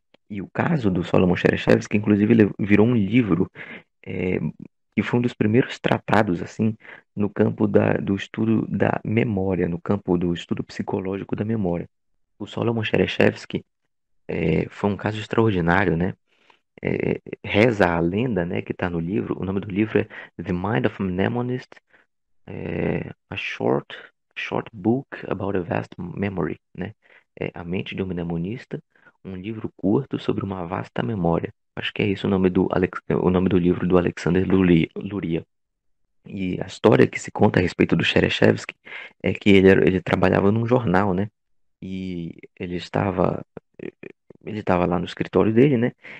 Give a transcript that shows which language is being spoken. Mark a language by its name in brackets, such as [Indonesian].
[Portuguese] E o caso do Solomon Chereshevsky, inclusive, ele virou um livro, que foi um dos primeiros tratados, assim, no campo do estudo da memória, no campo do estudo psicológico da memória. O Solomon Chereshevsky, foi um caso extraordinário, né? Reza a lenda, né, que está no livro. O nome do livro é The Mind of a Mnemonist. [English] A short book about a vast memory, né? [Portuguese] A mente de um mnemonista, um livro curto sobre uma vasta memória. Acho que é isso o nome do livro do Alexander Luria. E a história que se conta a respeito do Chereshevsky é que ele trabalhava num jornal, né? E ele estava lá no escritório dele, né?